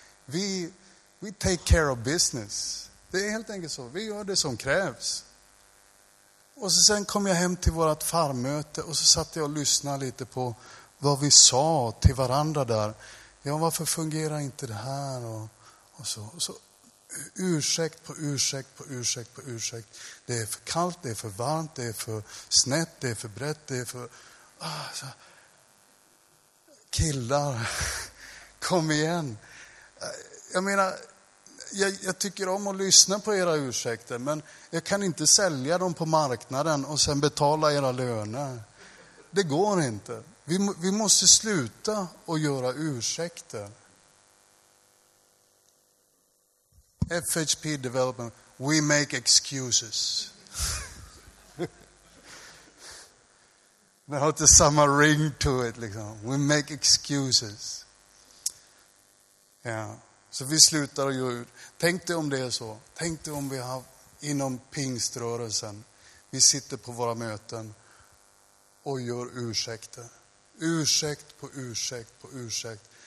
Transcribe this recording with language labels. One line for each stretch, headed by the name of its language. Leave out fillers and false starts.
English: We take care of business.
Swedish: Det är helt enkelt så. Vi gör det som krävs. Och så sen kom jag hem till vårt farmöte och så satt jag och lyssnade lite på vad vi sa till varandra där. Ja, varför fungerar inte det här? Och så ursäkt på ursäkt på ursäkt på ursäkt. Det är för kallt, det är för varmt, det är för snett, det är för brett, det är för... Så. Killar, kom igen. Jag menar... Jag tycker om att lyssna på era ursäkter, men jag kan inte sälja dem på marknaden och sen betala era löner. Det går inte. Vi måste sluta att göra ursäkter.
English: FHP Development, we make excuses.
Swedish: Det har inte samma
English: ring to it. Liksom. We make excuses. Ja. Yeah.
Swedish: Så vi slutar och gör. Tänk dig om det är så. Tänk dig om vi har inom pingströrelsen. Vi sitter på våra möten och gör ursäkter. Ursäkt på ursäkt på ursäkt.